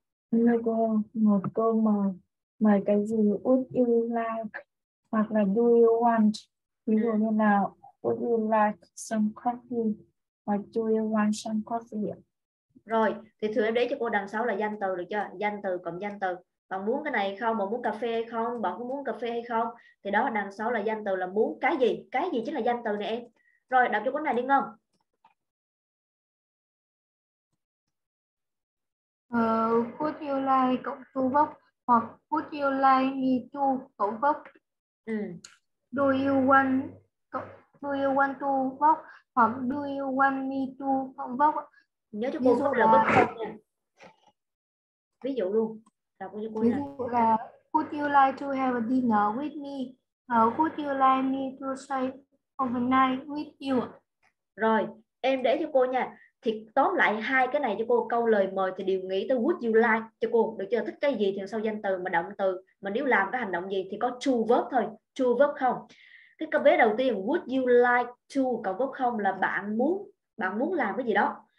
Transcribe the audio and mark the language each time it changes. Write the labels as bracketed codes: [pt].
[vi] Nếu cô một câu mà mời cái gì, would you like hoặc là do you want, ví dụ như là [en] would you like some coffee [vi] hoặc [en] do you want some coffee. [vi] Rồi, thì thử em để cho cô đằng sau là danh từ được chưa? Danh từ cộng danh từ. Bạn muốn cái này không? Bạn muốn cà phê hay không? Bạn có muốn cà phê hay không? Thì đó đằng sau là danh từ là muốn cái gì? Cái gì chính là danh từ này em. Rồi, đọc cho cô này đi Ngân. [en] Would you like cộng to verb hoặc would you like me to cộng verb. Do you want to verb hoặc do you want me to cộng verb. [vi] Nhớ cho cô là bất nha. Ví dụ luôn. Đọc cho cô. Ví dụ là [en] would you like to have a dinner with me? Would you like me to stay overnight with you? [vi] Rồi, em để cho cô nha. Thì tóm lại hai cái này cho cô, câu lời mời thì đều nghĩ tới would you like cho cô, được chưa? Thích cái gì thì sau danh từ mà động từ, mà nếu làm cái hành động gì thì có to verb thôi, to verb không. Cái câu vế đầu tiên would you like to cộng verb không là bạn muốn làm cái gì đó.